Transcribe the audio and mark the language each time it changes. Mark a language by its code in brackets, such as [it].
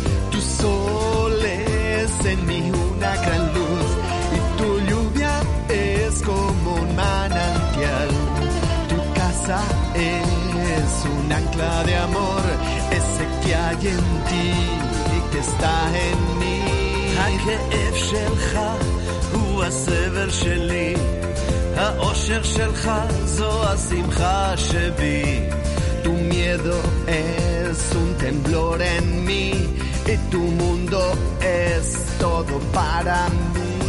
[es] Tu sol es en mi una gran luz y tu lluvia es como un manantial. Tu casa es un ancla de amor, ese que hay en ti y que está en mí. [he] הכאב שלך הוא הסבל שלי, האושר שלך זו השמחה שבי. [es] Tu miedo es un temblor en mí y tu mundo es todo para mí.